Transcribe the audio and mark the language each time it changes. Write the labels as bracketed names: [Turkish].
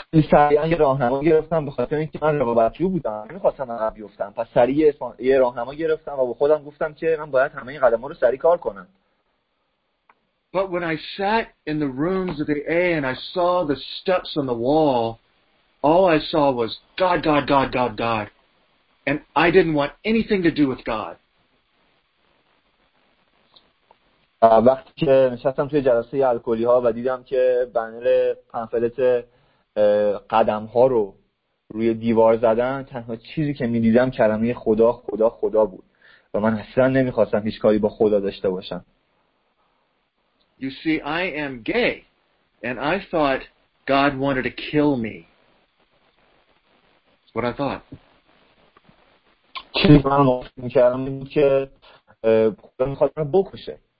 [Persian] سریعا یه راهنما گرفتم به خاطر اینکه من رقابتجو بودم، نمی‌خواستم عقب بیفتم. پس سریع یه راهنما گرفتم و به خودم گفتم که من باید همه این قدم‌ها رو سریع کار کنم. [English] But when I sat in the rooms of the A and I saw the steps on the wall, all I saw was God, God, God, God, God. And I didn't want anything to do with God. [Persian] وقتی که نشستم توی جلسه الکلی ها و دیدم که بنر پنفلت قدم ها رو روی دیوار زدن، تنها چیزی که می دیدم کلمه خدا، خدا، خدا بود و من اصلا نمی خواستم هیچ کاری با خدا داشته باشم. [English] You see, I am gay and I thought God wanted to kill me. What I thought. [Persian] چیزی که من می کردم این که خدا می خواستم بکشه.